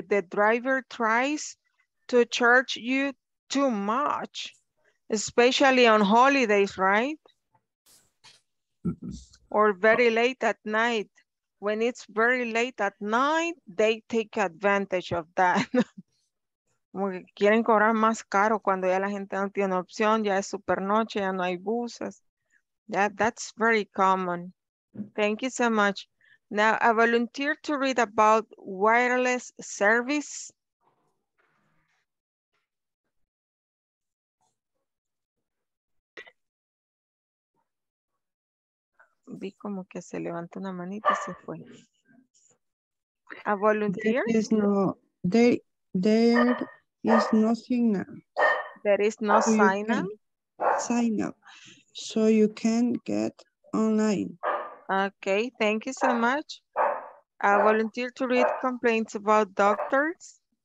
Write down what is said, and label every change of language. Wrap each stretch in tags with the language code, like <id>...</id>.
<en>The driver tries to charge you too much, especially on holidays, right? Or very late at night. When it's very late at night, they take advantage of that.</en> <es>Como que quieren cobrar más caro cuando ya la gente no tiene opción, ya es super noche, ya no hay buses.</es> <en>Yeah, that's very common. Thank you so much. Now, I volunteer to read about wireless service.</en> <es>Vi como que se levantó una manita y se fue.</es> <en>A volunteer? There is no, there is no sign up. So you can get online. Okay, thank you so much. I volunteer to read complaints about doctors.</en>